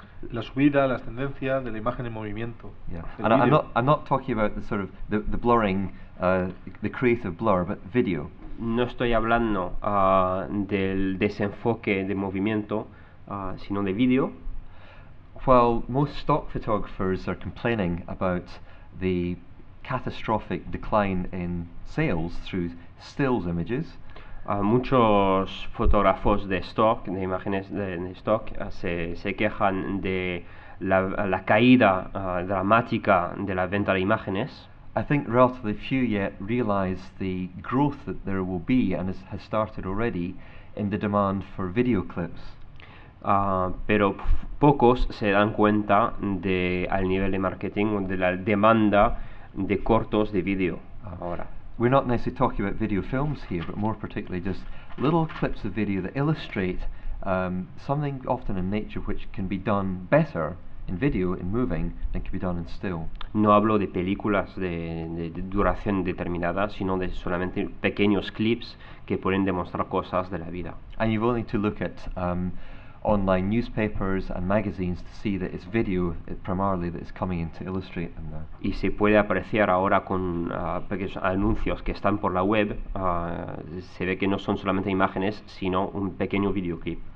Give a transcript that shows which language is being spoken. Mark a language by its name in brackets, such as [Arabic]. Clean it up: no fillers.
[Spanish] la subida, la ascendencia de la imagen en movimiento. Yeah. [English] And I'm not talking about the sort of the blurring, the creative blur, but video. [Spanish] No estoy hablando del desenfoque de movimiento, sino de video. [English] While most stock photographers are complaining about the catastrophic decline in sales through stills images. [Spanish] Muchos fotógrafos de stock, de imágenes de stock, se quejan de la caída dramática de la venta de imágenes. [English] I think relatively few yet realize the growth that there will be and has started already in the demand for video clips. [Spanish] Pero pocos se dan cuenta de al nivel de marketing o de la demanda de cortos de video ahora. [English] We're not necessarily talking about video films here, but more particularly just little clips of video that illustrate something often in nature which can be done better in video, in moving, than can be done in still. [Spanish] No hablo de películas de duración determinada, sino de solamente pequeños clips que pueden demostrar cosas de la vida. [English] And you've only to look at online newspapers and magazines to see that it's video primarily that is coming in to illustrate them now. [Spanish] Y se puede apreciar ahora con pequeños anuncios que están por la web, se ve que no son solamente imágenes, sino un pequeño videoclip.